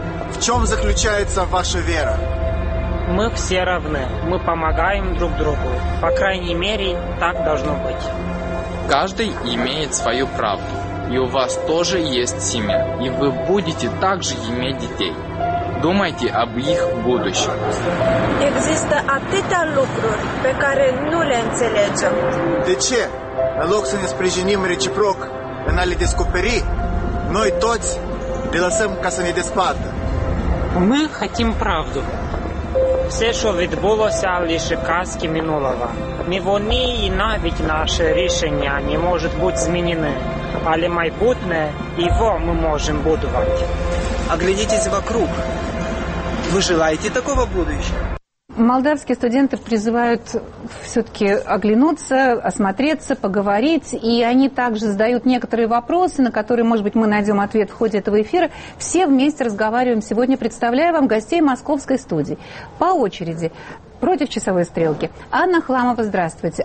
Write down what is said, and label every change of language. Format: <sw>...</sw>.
<ru>В чем заключается ваша вера? Мы все равны. Мы помогаем друг другу. По крайней мере, так должно быть. Каждый имеет свою правду. И у вас тоже есть семья. И вы будете также иметь детей. Думайте об их будущем.</ru> <ro>Există atâtea lucruri pe care nu le înțelegem. De ce? În loc să ne sprijinim reciproc în a le descoperi, noi toți le lăsăm ca să ne despartă.</ro> <uk>Ми хочемо правду. Все, що відбулося, лише казки минулого. Ні вони і навіть наші рішення не можуть бути змінені. Але майбутнє, його ми можемо будувати. Оглядіться вокруг. Ви желаєте такого будущего?</uk> <ru>Молдавские студенты призывают все-таки оглянуться, осмотреться, поговорить. И они также задают некоторые вопросы, на которые, может быть, мы найдем ответ в ходе этого эфира. Все вместе разговариваем сегодня, представляя вам гостей московской студии. По очереди, против часовой стрелки. Анна Хламова, здравствуйте.</ru>